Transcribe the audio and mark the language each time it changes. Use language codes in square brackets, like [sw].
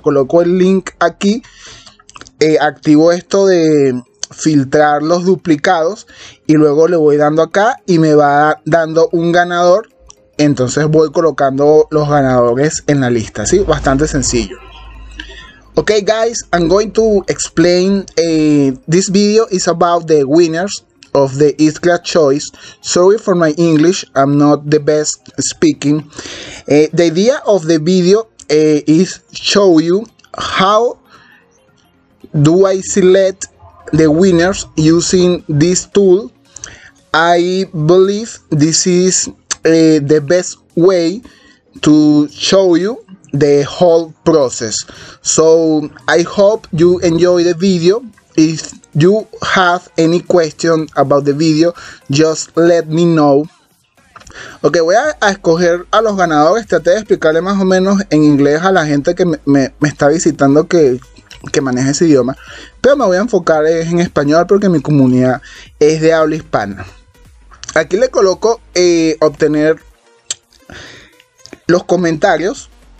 [es] Coloco el link aquí, activo esto de filtrar los duplicados y luego le voy dando acá y me va dando un ganador. Entonces voy colocando los ganadores en la lista, ¿sí? Bastante sencillo. [en] Ok, guys, I'm going to explain. This video is about the winners of the Iskra Choice. Sorry for my English, I'm not the best speaking. The idea of the video is show you how do I select the winners using this tool. I believe this is the best way to show you the whole process. So I hope you enjoy the video. If you have any question about the video, just let me know. [es] Ok, voy a escoger a los ganadores. Traté de explicarle más o menos en inglés a la gente que me está visitando que maneja ese idioma, pero me voy a enfocar en español porque mi comunidad es de habla hispana. Aquí le coloco obtener los comentarios.